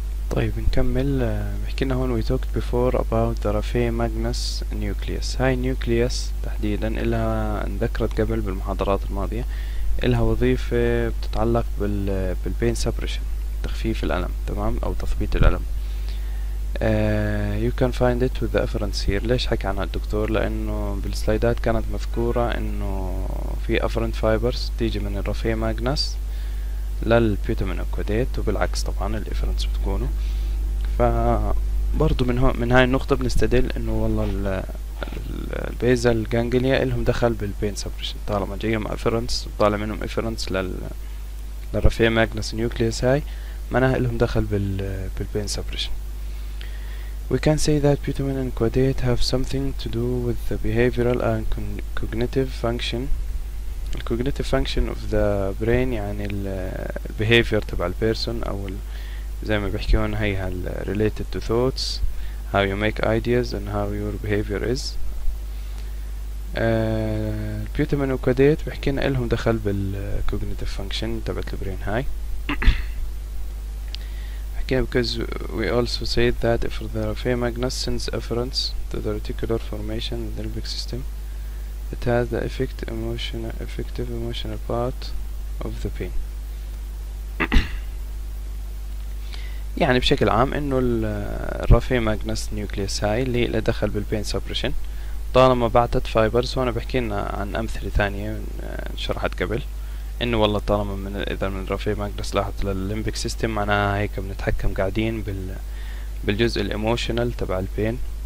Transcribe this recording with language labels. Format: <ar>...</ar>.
<ar>طيب نكمل. بحكي لنا هون</ar> <en>we talked before about the raphe magnus nucleus.</en> <ar>هاي النيوكليوس تحديدا إلها، انذكرت قبل بالمحاضرات الماضية، إلها وظيفة بتتعلق بالبين سبريشن، تخفيف الألم، تمام، أو تثبيت الألم.</ar> <en>You can find it with the afferents here.</en> <ar>ليش حكى عنها الدكتور؟ لأنه بالسلايدات كانت مذكورة إنه في afferent fibers تيجي من الرافي ماجنس للبيوتامين أكوديت، وبالعكس طبعا الإفرنس بتكونه. فبرضو من هون، من هاي النقطة بنستدل إنه والله البيزل جانجليا إلهم دخل بالبين سبريشن، طالما جايهم افرنس وطالع منهم افرنس للرفيع ماجنس نيوكليس، هاي معناها إلهم دخل بالبين سبريشن.</ar> <en>We can say that putamen and quadate have something to do with the behavioral and cognitive function. The cognitive function of the brain</en> <ar>يعني ال behavior تبع ال person، أو زي ما بحكي هون هي هال</ar> <en>related to thoughts. How you make ideas and how your behavior is.</en> <ar>البيوتامين وكوديت بحكينا إلهم دخل بالcognitive function تبعت البرين هاي. حكينا</ar> <en>because we also said that if the raphe magnus sends afferents to the reticular formation of the limbic system, it has the effective emotional part of the pain.</en> <ar>يعني بشكل عام انه الرافي ماجنس نيوكليس هاي اللي له دخل بالبين سبريشن، طالما بعتت فايبرز، وانا بحكي لنا عن امثله ثانيه شرحت قبل، انه والله طالما من اذا من الرافي ماجنس لاحظت للليمبيك سيستم، معناها هيك بنتحكم قاعدين بالجزء الايموشنال تبع البين.</ar>